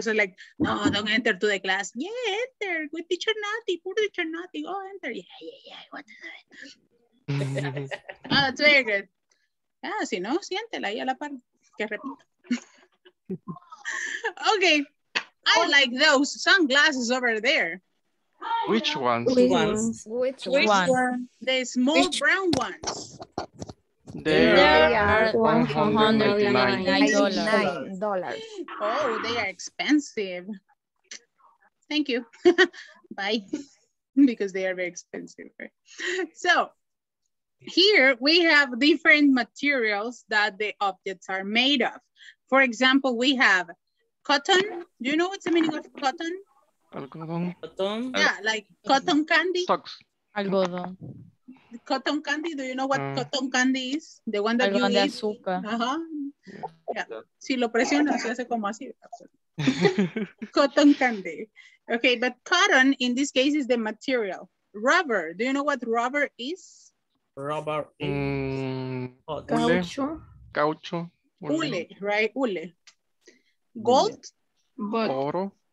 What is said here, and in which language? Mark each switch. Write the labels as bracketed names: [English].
[English] So like, no, don't enter to the class. Yeah, enter with teacher Nati, poor teacher Nati. Oh, enter. Yeah. What is it? Oh, that's very good. [Spanish] Yeah, si no, siéntela ahí a la par. Que repita. Okay. [English] I like those sunglasses over there. Which ones? Which ones? The small brown ones. They are $199. Oh, they are expensive. Thank you. Bye. Because they are very expensive. Right? So here we have different materials that the objects are made of. For example, we have cotton. Do you know what's the meaning of cotton? [Spanish] Algodón. [English] Cotton. Yeah, like cotton candy. Socks. [Spanish] Algodón. [English] Cotton candy. Do you know what cotton candy is? The one that [Spanish] algodón [English] you eat. [Spanish] De azúcar. Uh-huh. Yeah. Si lo presionas, se hace como así. [English] Cotton candy. Okay, but cotton in this case is the material. Rubber. Do you know what rubber is? Rubber is [Spanish] caucho. Hule, right? Hule. Gold. Oro.